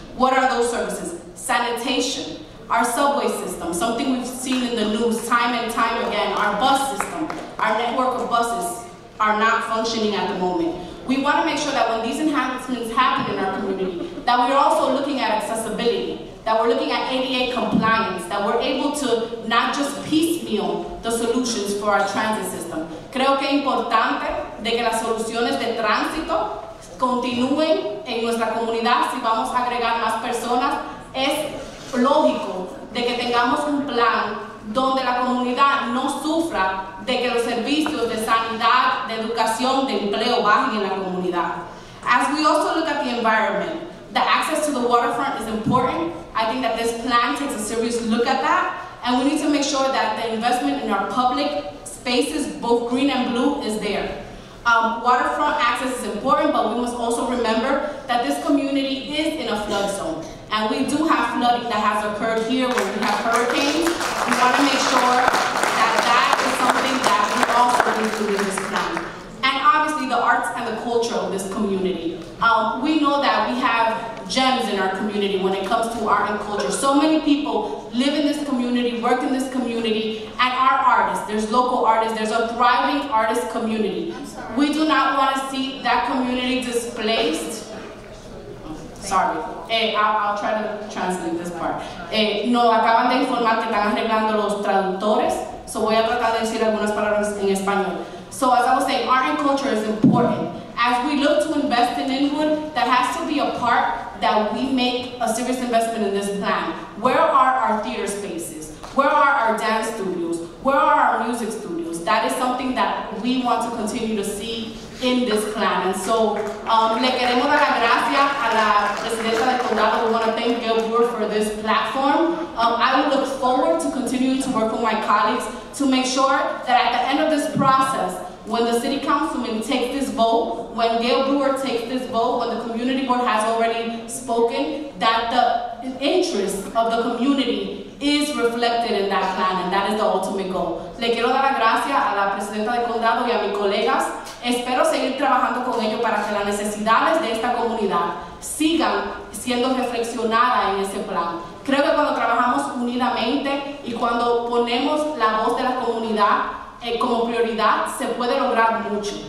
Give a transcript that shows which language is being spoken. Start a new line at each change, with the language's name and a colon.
English: What are those services? Sanitation, our subway system, something we've seen in the news time and time again, our bus system, our network of buses are not functioning at the moment. We want to make sure that when these enhancements happen in our community, that we're also looking at accessibility, that we're looking at ADA compliance, that we're able to not just piecemeal the solutions for our transit system.
Spanish: Creo que es importante de que las soluciones de tránsito continúen en nuestra comunidad si vamos a agregar más personas. Es lógico de que tengamos un plan donde la comunidad no sufra de que los servicios de sanidad, de educación, de empleo bajen en la comunidad.
English: As we also look at the environment, the access to the waterfront is important. I think that this plan takes a serious look at that, and we need to make sure that the investment in our public spaces, both green and blue, is there. Waterfront access is important, but we must also remember that this community is in a flood zone, and we do have flooding that has occurred here where we have hurricanes. We want to make sure that that is something that we also include in this plan. And obviously, the arts and the culture of this community. We know that we have gems in our community when it comes to art and culture. So many people live in this community, work in this community, and are artists. There's local artists, there's a thriving artist community. We do not want to see that community displaced. Sorry, I'll try to translate this part.
Spanish: No, acaban de informar que están arreglando los traductores, so voy a tratar de decir algunas palabras en español.
English: So as I was saying, art and culture is important. As we look to invest in Inwood, that has to be a part that we make a serious investment in this plan. Where are our theater spaces? Where are our dance studios? Where are our music studios? That is something that we want to continue to see in this plan. And so,
Spanish: le queremos dar las gracias a la presidenta del condado.
English: We want to thank Gail Brewer for this platform. I will look forward to continuing to work with my colleagues to make sure that at the end of this process, when the city councilman takes this vote, when Gail Brewer takes this vote, when the community board has already spoken, that the interest of the community is reflected in that plan, and that is the ultimate goal.
Spanish: Le quiero dar las gracias a la presidenta del condado y a mis colegas. Espero seguir trabajando con ellos para que las necesidades de esta comunidad sigan siendo reflexionadas en ese plan. Creo que cuando trabajamos unidamente y cuando ponemos la voz de la comunidad como prioridad, se puede lograr mucho.